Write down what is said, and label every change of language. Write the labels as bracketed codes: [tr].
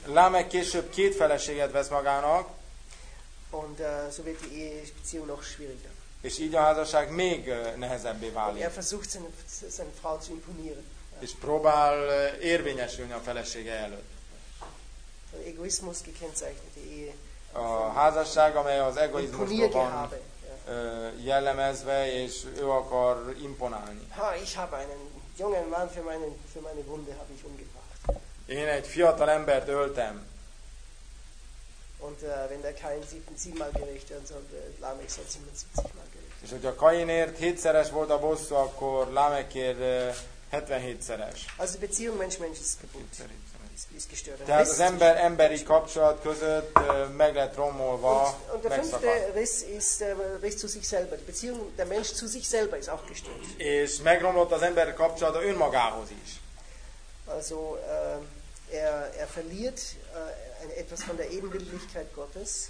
[hu] Lamech később két feleséget vesz magának. [de] Und so wird die Beziehung noch schwieriger. [hu] És így a házasság még nehezebbé válik. [de] Er versucht seine Frau zu imponieren. [hu] És próbál érvényesülni a felesége előtt. Az egoizmus [de] gekennzeichnet die Ehe. [hu] A házasság, amely az egoizmusból van jellemezve, és ő akar imponálni. [de] Ha, ich habe einen jungen Mann für meine Wunde habe ich umgebracht. [hu] Én egy fiatal embert öltem. [de] Und wenn der Kain 7-mal gerecht werden sollte, Lamech soll 77-mal gerecht. [hu] És hogyha Kainért 7-szeres volt a bosszú, akkor Lamechért 77-szeres. [de] Also Beziehung Mensch-Mensch ist kaputt. Ist gestört. [hu] Tehát az ember-emberi kapcsolat között meg lett rombolva. [de] Und der fünfte Riss ist Riss zu sich selber. Die Beziehung der Mensch zu sich selber ist auch gestört. [hu] És megromlott az ember kapcsolata önmagához is. [de] Also er verliert etwas von der Ebenbildlichkeit Gottes.